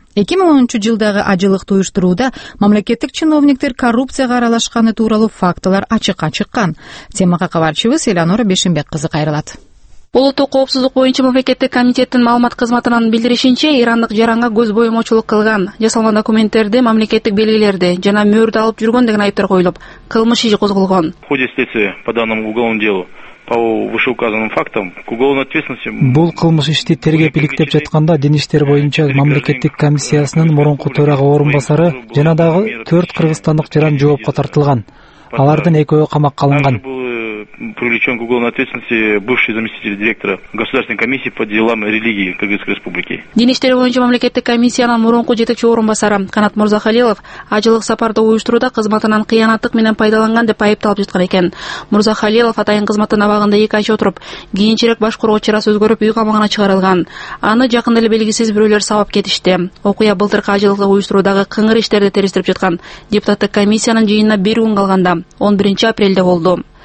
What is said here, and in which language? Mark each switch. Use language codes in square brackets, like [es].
[ky] 2010-жылдагы ажылыкты уюштурууда мамлекеттик чиновниктер коррупцияга аралашканы тууралуу фактылар ачыкка чыккан. Темага кабарчыбыз Элеонора Бешимбек кызы кайрылат. Улуттук коопсуздук боюнча мамлекеттик комитеттин маалымат кызматынын билдиришинче, ирандык жаранга көз боемочулук кылган, жасалган документтерди, мамлекеттик белгилерди жана мөөрдү алып жүргөн деген айыптар коюлуп, кылмыш иши козголгон. [ru] В ходе следствия по данному уголовному делу по вышеуказанным фактам к уголовной ответственности. [ky] Бул кылмыш ишти тергеп иликтеп жатканда дин иштер боюнча мамлекеттик комиссиясынын мурунку төрага орун басары жана дагы 4 кыргызстандык жаран жоопко тартылган. Алардын экөө камакка алынган. [ru] Привлечен к уголовной ответственности бывший заместитель директора Государственной комиссии по делам религии Кыргызской республики. [ky] Дин иштери боюнча мамлекеттик комиссиянын мурунку жетекчи орун басары Канат Мурзахалилов ажылык сапарды уюштурууда кызматынан кыянаттык менен пайдаланган деп айыпталып жаткан экен. Мурзахалилов атайын кызматтын абагында 2 ай отуруп, кийинчерээк баш коргоо чарасы өзгөрүп үй камагына чыгарылган. Аны жакын эле белгисиз бирөөлөр сабап кетишти. Окуя былтыркы ажылыкты уюштуруудагы кыңыр иштерди териштирип жаткан депутаттык комиссиянын жыйынына 1 күн калганда, 11-апрелде болду.